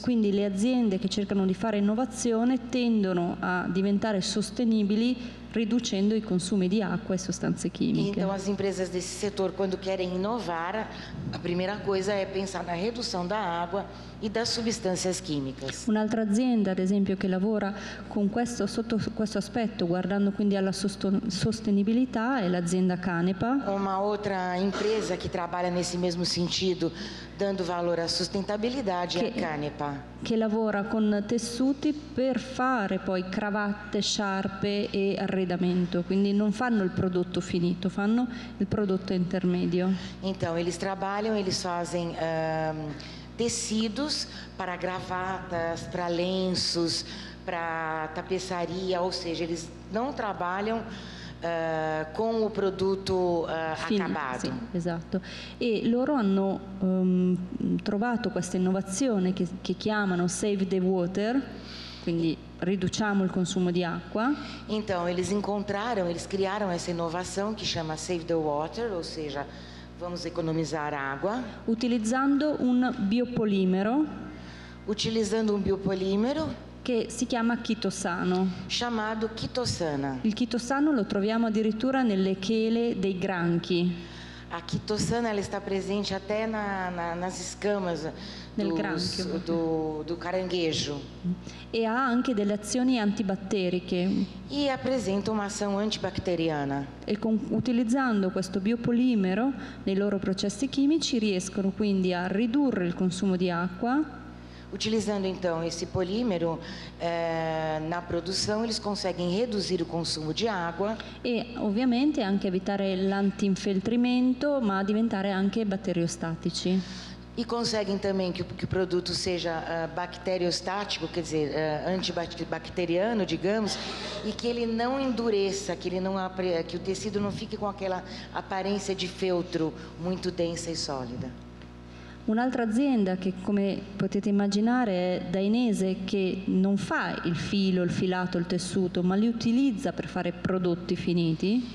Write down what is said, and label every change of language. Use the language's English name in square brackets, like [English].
[Italian] E quindi le aziende che cercano di fare innovazione tendono a diventare sostenibili riducendo i consumi di acqua e sostanze chimiche. [Portuguese] Então as empresas desse setor quando querem inovar, a primeira coisa é pensar na redução da água e das substâncias químicas. [Italian] Un'altra azienda, ad esempio, che lavora con questo sotto questo aspetto, guardando quindi alla sostenibilità, è l'azienda Canepa. [Portuguese] Uma outra empresa que trabalha nesse mesmo sentido, dando valor à sustentabilidade, é a Canepa. [Italian] Che lavora con tessuti per fare poi cravatte, sciarpe e arredamento, quindi non fanno il prodotto finito, fanno il prodotto intermedio. [Portuguese] Então eles trabalham, eles fazem tecidos para gravatas, para lenços, para tapeçaria, ou seja, eles não trabalham com o produto acabado. Sim, exato. [Italian] E loro hanno trovato questa innovazione che chiamano Save the Water, quindi riduciamo il consumo di acqua. [Portuguese] Então, eles criaram essa inovação que chama Save the Water, ou seja, vamos economizar água. [Italian] Utilizzando un biopolimero. Utilizzando un biopolimero. Che si chiama chitosano. [Portuguese] Chamado chitosana. [Italian] Il chitosano lo troviamo addirittura nelle chele dei granchi. [Portuguese] A chitosana ela está presente até nas escamas do caranguejo. [Italian] E ha anche delle azioni antibatteriche. [Portuguese] E apresenta uma ação antibacteriana. [Italian] E utilizzando questo biopolimero nei loro processi chimici riescono quindi a ridurre il consumo di acqua. [Portuguese] Utilizzando então esse polímero na produção, eles conseguem reduzir o consumo de água. [Italian] E ovviamente anche evitare l'antinfeltrimento, ma diventare anche batteriostatici. [Portuguese] E conseguem também que o produto seja bacteriostático, quer dizer, antibacteriano, digamos, e que ele não endureça, que o tecido não fique com aquela aparência de feltro muito densa e sólida. [Italian] Un'altra azienda che, come potete immaginare, è dainese, che non fa il filo, il filato, il tessuto, ma li utilizza per fare prodotti finiti.